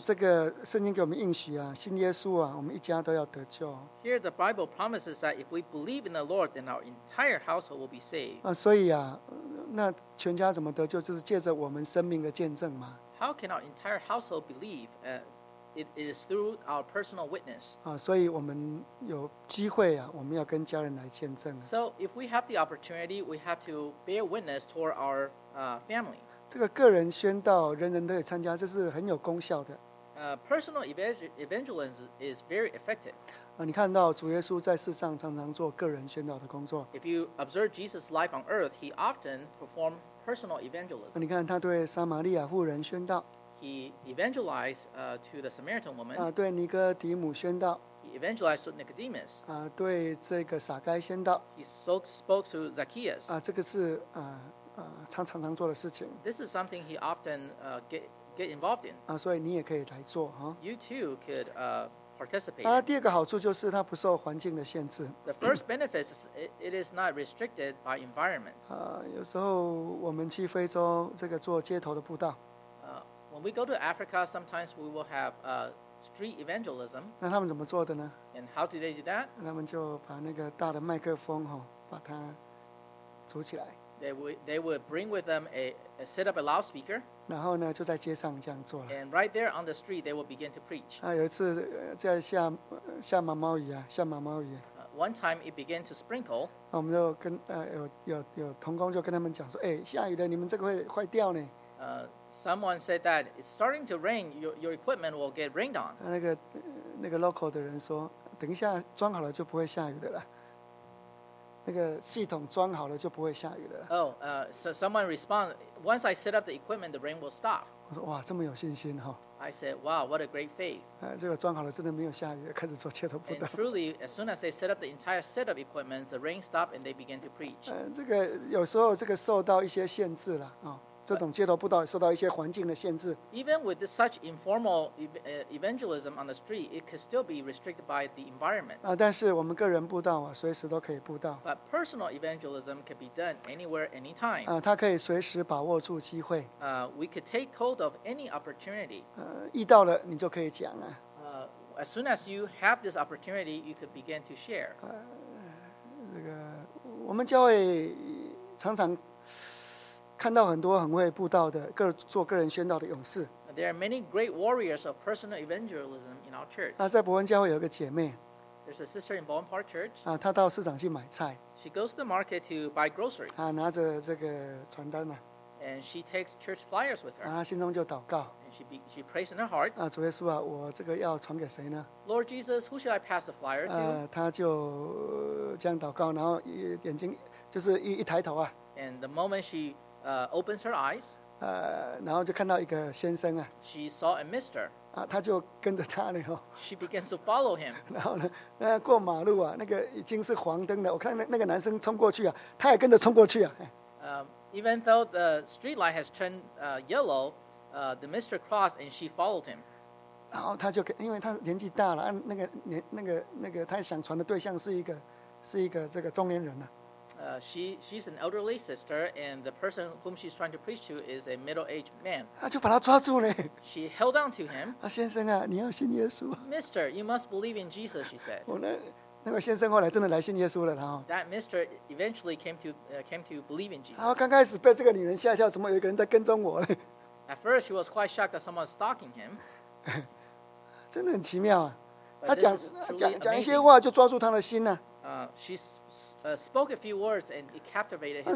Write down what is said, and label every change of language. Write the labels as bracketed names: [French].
[Chinese] 这个圣经给我们应许信耶稣我们一家都要得救。 [English] Here the Bible promises that if we believe in the Lord, then our entire household will be saved. [Chinese] 所以那全家怎么得救？就是借着我们生命的见证嘛。 [English] How can our entire household believe? It is through our personal witness. [Chinese] 所以我们有机会我们要跟家人来见证。 [English] So if we have the opportunity, we have to bear witness toward our family. [Chinese] 这个个人宣道，人人都有参加，这是很有功效的。 [English] Personal evangelism is very effective. [Chinese] 你看到主耶稣在世上常常做个人宣道的工作。 [English] If you observe Jesus' life on earth, he often performed personal evangelism. [Chinese] 你看他对撒玛利亚妇人宣道。 [English] He evangelized to the Samaritan woman. [Chinese] 对尼哥底母宣道。 [English] He evangelized to Nicodemus. [Chinese] 对这个撒该宣道。 [English] He spoke to Zacchaeus. [Chinese] 这个是常常做的事情。 [English] This is something he often get involved in. [Chinese] 所以你也可以来做哈。 [English] You too could participate. [Chinese] 第二个好处就是它不受环境的限制。 [English] The first benefit is it is not restricted by environment. [Chinese] 有时候我们去非洲这个做街头的布道。 [English] When we go to Africa, sometimes we will have street evangelism. [Chinese] 那他们怎么做的呢 [English] ？And how do they do that? [Chinese] 他们就把那个大的麦克风把它组起来。 [English] They would bring with them a set up a loudspeaker. [Chinese] 然后呢，就在街上这样做了。 [English] And right there on the street, they would begin to preach. [Chinese] 有一次在下毛毛雨下毛毛雨。 [English] One time it began to sprinkle. [Chinese] 我们就跟有同工就跟他们讲说，下雨了，你们这个会坏掉呢。 [English] Someone said that it's starting to rain. Your equipment will get rained on. [Chinese] 那个 local 的人说，等一下装好了就不会下雨的了。那个系统装好了就不会下雨了。 [English] So someone responded. Once I set up the equipment, the rain will stop. [Chinese] 我说哇，这么有信心哈。 [English] I said, wow, what a great faith. [Chinese] 这个装好了真的没有下雨，开始做街头布道。 [English] And truly, as soon as they set up the entire set of equipment, the rain stopped and they began to preach. [Chinese] 这个有时候这个受到一些限制了啊。这种街头布道受到一些环境的限制。 [English] Even with such informal evangelism on the street, it could still be restricted by the environment. [Chinese] 但是我们个人布道，随时都可以布道。 [English] But personal evangelism can be done anywhere, anytime. [Chinese] 它可以随时把握住机会。 [English] We could take hold of any opportunity. [Chinese] 遇到了你就可以讲了。 [English] As soon as you have this opportunity, you could begin to share. [Chinese] 我们教会常常看到很多很会布道的各做个人宣道的勇士。 [English] There are many great warriors of personal evangelism in our church. [Chinese] 在伯恩教会有一个姐妹。 [English] There's a sister in Bowen Park Church. [Chinese] 她到市场去买菜。 [English] She goes to the market to buy groceries. [Chinese] 拿着这个传单嘛。 [English] And she takes church flyers with her. [Chinese] 心中就祷告。 [English] And she prays in her heart. [Chinese] 主耶稣啊，我这个要传给谁呢 [English] ？Lord Jesus, who should I pass the flyer to? [Chinese] 她就这样祷告，然后眼睛就是一抬头啊。 [English] And the moment she opens her eyes. [Chinese] 然后就看到一个先生啊。 [English] She saw a mister. [Chinese] 他就跟着他了哦。 [English] She begins to follow him. [Chinese] 然后呢，那过马路啊，那个已经是黄灯了。我看那个男生冲过去啊，他也跟着冲过去啊。 [English] Even though the street light has turned yellow, the mister crossed and she followed him. [Chinese] 然后他就因为他年纪大了，那个他想传的对象是一个这个中年人啊。 [English] She's an elderly sister, and the person whom she's trying to preach to is a middle-aged man. [Chinese] 就把他抓住呢。 [English] She held on to him. [Chinese] 先生啊，你要信耶稣。 [English] Mister, you must believe in Jesus, she said. [Chinese] 那个先生后来真的来信耶稣了，然后。 [English] That mister eventually came to believe in Jesus. [Chinese] 然后刚开始被这个女人吓一跳，怎么有一个人在跟踪我呢 [English] ？At first, she was quite shocked that someone's stalking him. [Chinese] 真的很奇妙啊！他讲一些话就抓住他的心呢、啊。 [English] She spoke a few words and it captivated him.